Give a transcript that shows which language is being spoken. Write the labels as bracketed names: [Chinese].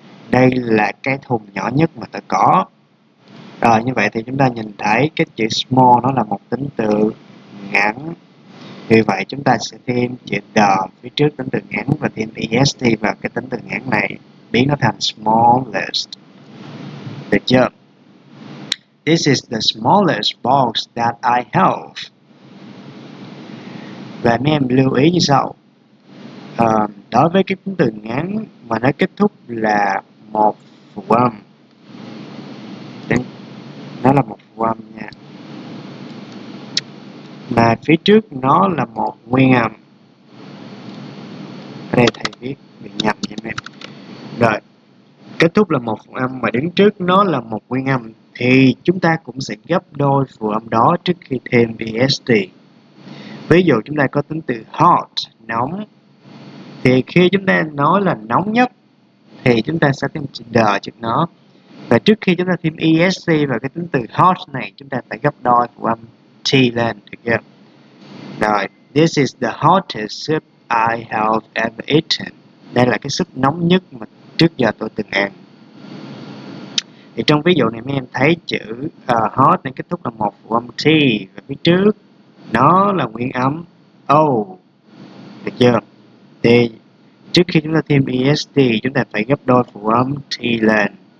[Vietnamese] Đây là cái thùng nhỏ nhất mà tôi có. Rồi như vậy thì chúng ta nhìn thấy cái chữ small nó là một tính từ ngắn. Vì vậy chúng ta sẽ thêm chữ the phía trước tính từ ngắn và thêm est vào cái tính từ ngắn này, biến nó thành smallest. Được chưa? [English] This is the smallest box that I have. [Vietnamese] Và mấy em lưu ý như sau. Đối với cái tính từ ngắn mà nó kết thúc là một phụ âm, nó là một phụ âm nha, mà phía trước nó là một nguyên âm. Ở đây thầy viết bị nhầm nha mấy em. Rồi, kết thúc là một phụ âm mà đứng trước nó là một nguyên âm thì chúng ta cũng sẽ gấp đôi phụ âm đó trước khi thêm est. Ví dụ chúng ta có tính từ hot, nóng, thì khi chúng ta nói là nóng nhất thì chúng ta sẽ thêm chữ the trước nó. Và trước khi chúng ta thêm est vào cái tính từ hot này, chúng ta phải gấp đôi phụ âm t lên, được chưa? Rồi, [English] this is the hottest soup I have ever eaten. [Vietnamese] Đây là cái súp nóng nhất mà trước giờ tôi từng ăn. Thì trong ví dụ này mấy em thấy chữ hot này kết thúc là một phụ âm t và phía trước nó là nguyên âm o, được chưa? Thì trước khi chúng ta thêm est, chúng ta phải gấp đôi phụ âm t lên.